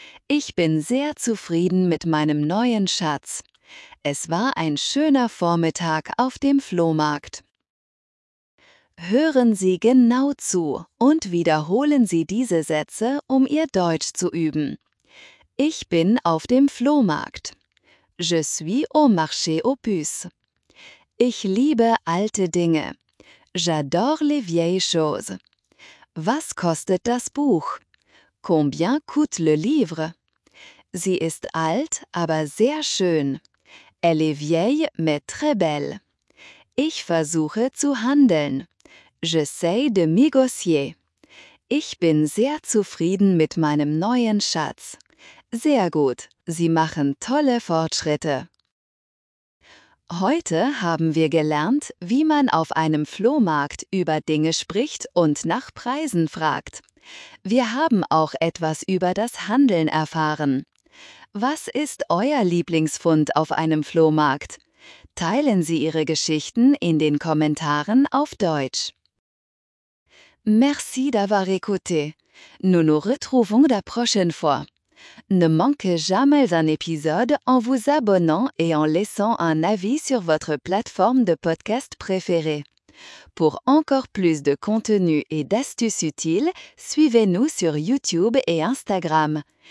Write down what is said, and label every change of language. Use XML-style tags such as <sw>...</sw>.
<de>Ich bin sehr zufrieden mit meinem neuen Schatz. Es war ein schöner Vormittag auf dem Flohmarkt. Hören Sie genau zu und wiederholen Sie diese Sätze, um Ihr Deutsch zu üben. Ich bin auf dem Flohmarkt.</de> <fr>Je suis au marché aux puces.</fr> <de>Ich liebe alte Dinge.</de> <fr>J'adore les vieilles choses.</fr> <de>Was kostet das Buch?</de> <fr>Combien coûte le livre?</fr> <de>Sie ist alt, aber sehr schön.</de> <fr>Elle est vieille, mais très belle.</fr> <de>Ich versuche zu handeln.</de> <fr>J'essaie de négocier.</fr> <de>Ich bin sehr zufrieden mit meinem neuen Schatz. Sehr gut, Sie machen tolle Fortschritte. Heute haben wir gelernt, wie man auf einem Flohmarkt über Dinge spricht und nach Preisen fragt. Wir haben auch etwas über das Handeln erfahren. Was ist euer Lieblingsfund auf einem Flohmarkt? Teilen Sie Ihre Geschichten in den Kommentaren auf Deutsch.</de> <fr>Merci d'avoir écouté. Nous nous retrouvons la prochaine fois. Ne manquez jamais un épisode en vous abonnant et en laissant un avis sur votre plateforme de podcast préférée. Pour encore plus de contenu et d'astuces utiles, suivez-nous sur YouTube et Instagram.</fr>